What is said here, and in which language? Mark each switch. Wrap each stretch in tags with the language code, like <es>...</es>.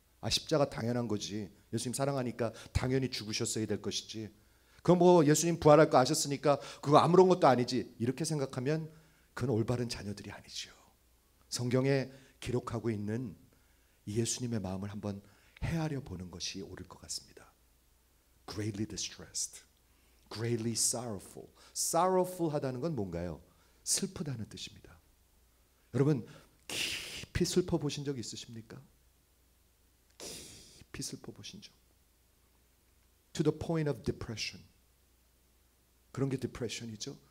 <ko>아 십자가 당연한 거지. 예수님 사랑하니까 당연히 죽으셨어야 될 것이지. 그건 뭐 예수님 부활할 거 아셨으니까 그거 아무런 것도 아니지. 이렇게 생각하면 그건 올바른 자녀들이 아니죠. 성경에 기록하고 있는 예수님의 마음을 한번 헤아려 보는 것이 옳을 것 같습니다.</ko> <en>Greatly distressed, greatly sorrowful.</en> <ko>Sorrowful 하다는 건 뭔가요? 슬프다는 뜻입니다. 여러분, 깊이 슬퍼 보신 적 있으십니까? 깊이 슬퍼 보신 적.</ko> <en>To the point of depression.</en> <ko>그런 게 depression이죠.</ko>